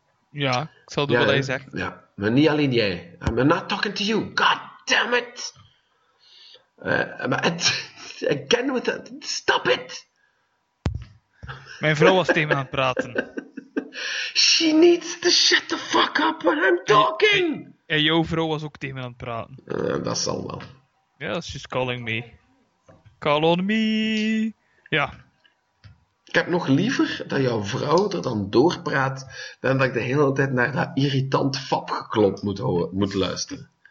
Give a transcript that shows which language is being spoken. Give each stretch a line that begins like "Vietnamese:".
Dutch: Ja, ik zal doen wat hij zegt. Ja, maar niet alleen jij.
English: I'm not talking to you. God damn it! Maar again with that. Stop it!
Dutch: Mijn vrouw was tegen me aan het praten.
English: She needs to shut the fuck up when I'm talking!
Dutch: En jouw vrouw was ook tegen me aan het praten. Dat zal wel.
English: Ja, yeah, she's calling me. Call on me! Ja.
Dutch: Ik heb nog liever dat jouw vrouw er dan doorpraat dan dat ik de hele tijd naar dat irritant fapgeklop moet luisteren.